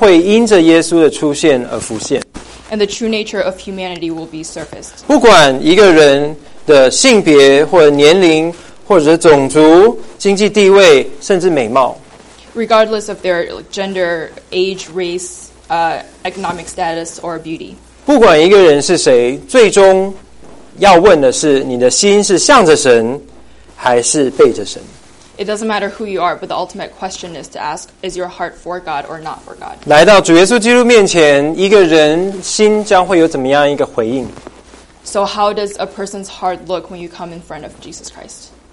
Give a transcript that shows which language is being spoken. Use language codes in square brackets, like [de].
[zh] 而这样一个真实的面貌将会因着耶稣的出现而浮现 [en] And the true nature of humanity will be surfaced. [zh] 不管一个人的性别或年龄或者种族经济地位甚至美貌 [en] Regardless of their gender, age, race, economic status or beauty. [zh] 不管一个人是谁 最终要问的是你的心是向着神 还是背着神 [en] It doesn't matter who you are, but the ultimate question is to ask, is your heart for God or not for God? [zh] 来到主耶稣基督面前, 一个人心将会有怎么样一个回应? [en] So how does a person's heart look when you come in front of Jesus Christ?